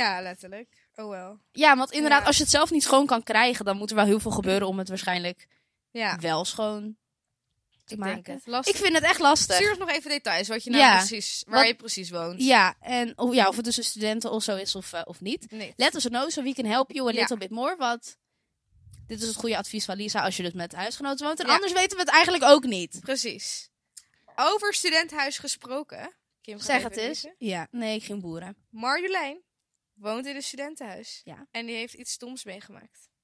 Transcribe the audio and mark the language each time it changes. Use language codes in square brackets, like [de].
[nl] Ja, letterlijk. Oh wel. Ja, want inderdaad, ja, als je het zelf niet schoon kan krijgen, dan moet er wel heel veel gebeuren om het waarschijnlijk, ja, wel schoon te Ik maken. Denk het. Lastig. Ik vind het echt lastig. Stuur ons nog even details wat je nou, ja, precies, waar wat, je precies woont. Ja, en of, ja, of het dus een studenten of zo is of niet. Nee. [en] Let us know so we can help you a little, ja, bit more. [nl] Want dit is het goede advies van Lisa als je dus met huisgenoten woont. En, ja, anders weten we het eigenlijk ook niet. Precies. Over studentenhuis gesproken. Zeg het eens. Ja, nee, ik ging boeren. Marjolein woont in een studentenhuis. Ja. En die heeft iets stoms meegemaakt.